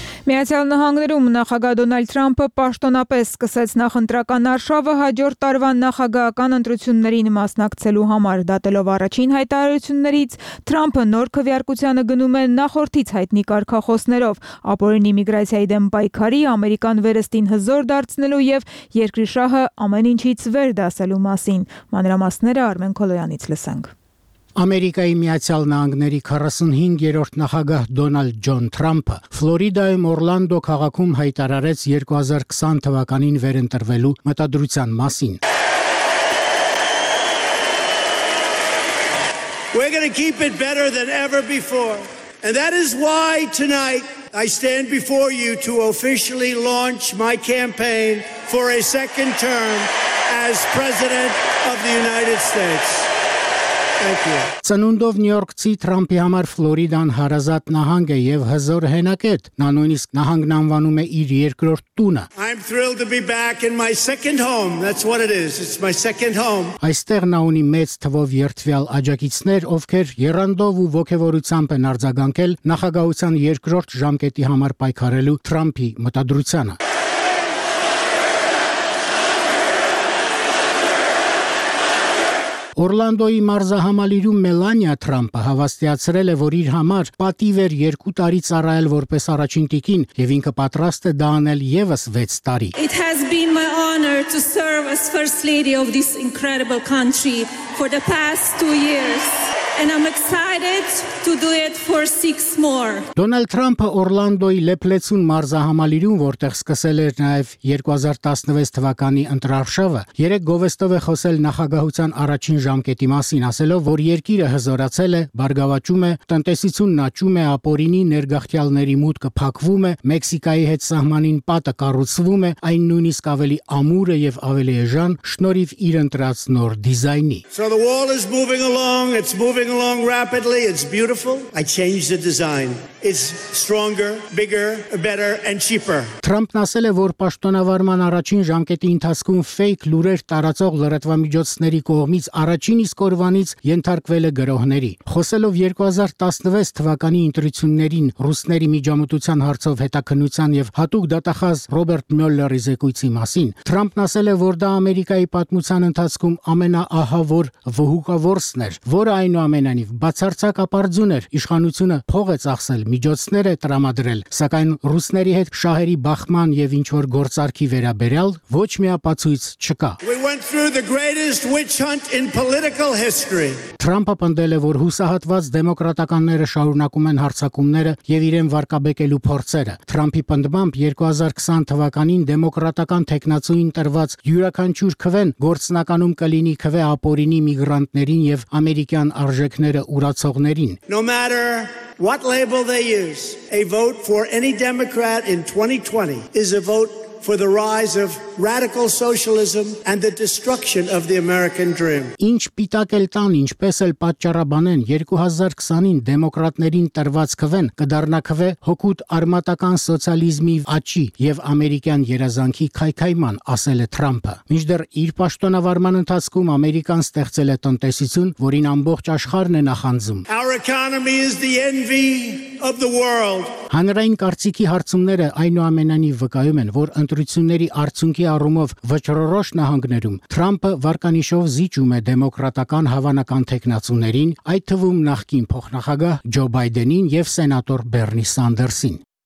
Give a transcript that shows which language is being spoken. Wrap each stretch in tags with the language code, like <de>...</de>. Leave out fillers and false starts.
<hy>Միացյալ Նահանգներում նախագահ Դոնալդ Թրամփը պաշտոնապես սկսեց նախընտրական արշավը հաջորդ տարվա նախագահական ընտրություններին մասնակցելու համար, դատելով առաջին հայտարարություններից։ Թրամփը նոր քվեարկությանը գնում է նախորդից հայտնի կարգախոսներով, ապօրինի միգրացիայի դեմ պայքարի, ամերիկան վերստին հզոր դարձնելու և երկրի շահը ամեն ինչից վեր դասելու մասին։ Մանրամասները Արմեն Քոլոյանից լսենք։ Ամերիկայի Միացյալ Նահանգների 45-րդ նախագահ Դոնալդ Ջոն Թրամփը Ֆլորիդայում Օրլանդո քաղաքում հայտարարեց 2020 թվականին վերընտրվելու մտադրության մասին։</hy> <en>We're going to keep it better than ever before. And that is why tonight I stand before you to officially launch my campaign for a second term as President of the United States.</en> <hy>Ծնունդով Նյու Յորքցի Թրամփի համար Ֆլորիդան հարազատ նահանգ է եւ հզոր հենակետ։ Նա նույնիսկ նահանգն անվանում է իր երկրորդ տունը։</hy> <en>I'm thrilled to be back in my second home. That's what it is. It's my second home.</en> <hy>Այստեղ նա ունի մեծ թվով երթվյալ աջակիցներ, ովքեր երանդով ու ոգևորությամբ են արձագանքել նախագահության երկրորդ ժամկետի համար պայքարելու Թրամփի մտադրությանը։ Օրլանդոյի մարզահամալիրում Մելանիա Թրամփը հավաստիացրել է, որ իր համար պատիվ էր 2 տարի ծառայել որպես առաջին տիկին, եւ ինքը պատրաստ է դա անել եւս 6 տարի։</hy> <en>It has been my honor to serve as first lady of this incredible country for the past 2 years. And I'm excited to do it for 6 more.</en> <hy>Դոնալդ Թրամփը Օրլանդոյի Լեփլեցուն մարզահամալիրում, որտեղ սկսել էր նաև 2016 թվականի ընտրարշավը, 3 գովեստով է խոսել նախագահության առաջին ժամկետի մասին, ասելով, որ երկիրը հզորացել է, բարգավաճում է, տնտեսությունն աճում է, ապօրինի ներգաղթյալների մուտքը փակվում է, Մեքսիկայի հետ սահմանին պատը կառուցվում է, այն նույնիսկ ավելի ամուր է եւ ավելի էժան, շնորհիվ իր ընտրած նոր դիզայնի։</hy> <en>So the wall is moving along, it's moving along rapidly, it's beautiful. I changed the design. is stronger, bigger, better and cheaper.</en> <hy>Թրամփն ասել է, որ պաշտոնավարման առաջին ժամկետի ընթացքում fake լուրեր տարածող լրատվամիջոցների կողմից առաջին իսկ օրվանից ենթարկվել է գրոհների։ Խոսելով 2016 թվականի ընտրություններին ռուսների միջամտության հարցով հետաքննության եւ հատուկ դատախազ Ռոբերտ Մյոլլերի զեկույցի մասին, Թրամփն ասել է, որ դա Ամերիկայի պատմության ընթացքում ամենաահավոր վհուկավորսն էր, որը այնուամենայնիվ բացարձակ ապարդյուն էր, իշխանությունը փողեց ասել միջոցներ է տրամադրել, սակայն ռուսների հետ շահերի բախման եւ ինչ որ գործարքի վերաբերյալ ոչ մի ապացույց չկա։ Թրամփը պնդել է, որ հուսահատված դեմոկրատականները շարունակում են հարձակումները եւ իրեն վարկաբեկելու փորձերը։ Թրամփի պնդմամբ 2020 թվականին դեմոկրատական թեկնածուին տրված յուրաքանչյուր քվեն գործնականում կլինի քվե ապօրինի միգրանտներին եւ ամերիկյան արժեքները ուրացողներին։</hy> <en>What label they use, a vote for any Democrat in 2020 is a vote for the rise of radical socialism and the destruction of the American dream.</en> <hy>Ինչ պիտակ էլ տան, ինչպես էլ պատճառաբանեն 2020-ին դեմոկրատներին տրված քվեն, կդառնա քվե հոգուտ արմատական սոցիալիզմի աճի եւ ամերիկյան երազանքի քայքայման, ասել է Թրամփը։ Մինչդեռ իր պաշտոնավարման ընթացքում ամերիկան ստեղծել է տնտեսություն, որին ամբողջ աշխարհն է նախանձում։</hy> <en>Our economy is the envy of the world.</en> <hy>Հանրային կարծիքի հարցումները այնուամենայնիվ վկայում են, որ ընտրությունների արդյունքի առումով վճռորոշ նահանգներում Թրամփը վարկանիշով զիջում է դեմոկրատական հավանական թեկնածուներին, այդ թվում նախկին փոխնախագահ Ջո Բայդենին եւ սենատոր Բեռնի Սանդերսին։</hy>